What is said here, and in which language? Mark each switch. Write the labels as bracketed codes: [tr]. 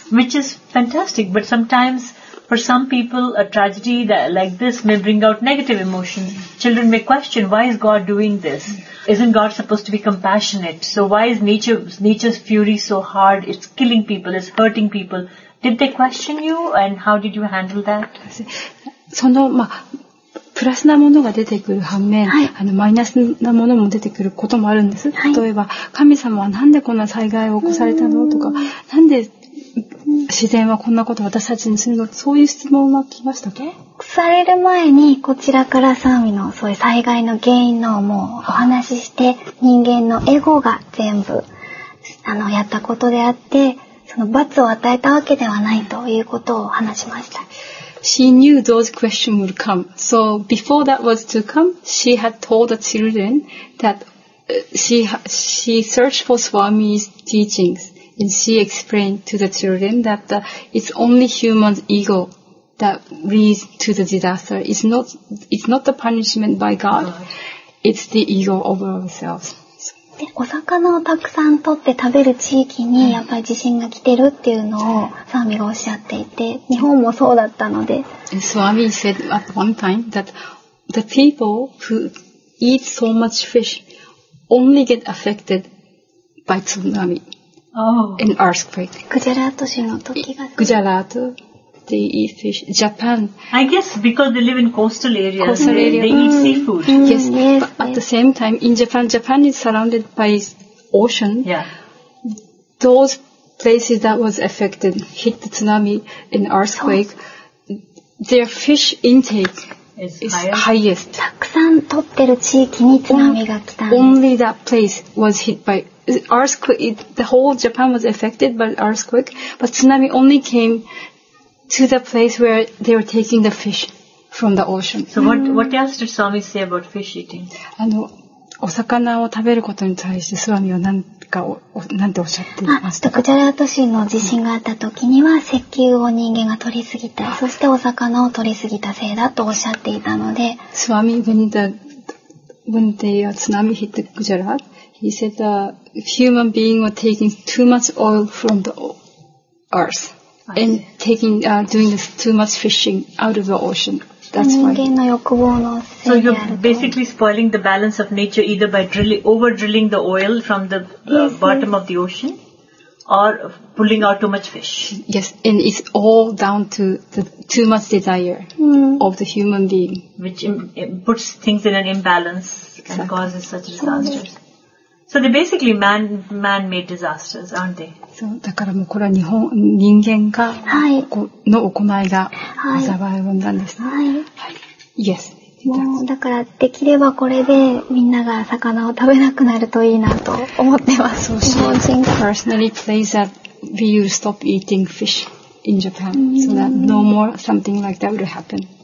[en] Which is fantastic, but sometimes for some people, a tragedy that, like this may bring out negative emotions. Children may question, why is God doing this? Isn't God supposed to be compassionate? So why is nature's fury so hard? It's killing people, it's hurting people. Did they question you, and how did you handle that? [ja] プラスなものが出てくる反面、はい、あのマイナスなものも出てくることもあるんです、はい、例えば神様はなんでこんな災害を起こされたのとか、なんで自然はこんなこと私たちにするの、そういう質問は来ましたか。される前にこちらからサーミのそういう災害の原因のもうお話しして、人間のエゴが全部あのやったことであって、その罰を与えたわけではないということを話しました。 [en] She knew those questions would come. So before that was to come, she had told the children that she searched for Swami's teachings, and she explained to the children that it's only human's ego that leads to the disaster. It's not the punishment by God. It's the ego of ourselves. [ja] でお魚をたくさん取って食べる地域にやっぱり地震が来てるっていうのをサーミがおっしゃっていて、日本もそうだったので。 [en] Swami said at one time that the people who eat so much fish only get affected by tsunami and earthquake. [ja] グジャラート州の時が。 [en] グジャラート。They eat fish. Japan. I guess because they live in coastal areas, they eat seafood. Mm. Yes. Yes, but at the same time, in Japan, Japan is surrounded by ocean. Yeah. Those places that was affected, hit the tsunami and earthquake, their fish intake is highest. [ja] たくさん取ってる地域に津波が来たんです。 [en] Only that place was hit by earthquake. The whole Japan was affected by earthquake, but tsunami only came to the place where they were taking the fish from the ocean. So what else did Swami say about fish eating? [ja] あのお魚を食べることに対してスワミは何かを何ておっしゃっていましたか。グジャラート州の地震があった時には石油を人間が取りすぎた、そしてお魚を取りすぎたせいだとおっしゃっていたので。 [en] スワミ when the tsunami hit the Gujarat, he said that human beings were taking too much oil from the earth. And taking, doing this too much fishing out of the ocean. That's why. [ja] 人間の欲望のせいである。 [en] So you're basically spoiling the balance of nature either by over drilling the oil from the bottom of the ocean, or pulling out too much fish. Yes, and it's all down to the too much desire of the human being, which puts things in an imbalance and causes such disasters. So they're basically man-made disasters, aren't they? [ja] そう、だからもうこれは日本人間が、はい、の行いが災いを生んです、はいはい、 [en] Yes. [ja] もうだからできればこれでみんなが魚を食べなくなるといいなと思ってます。日本人が [en] personally plays that we will stop eating fish in Japan so that no more something like that will happen.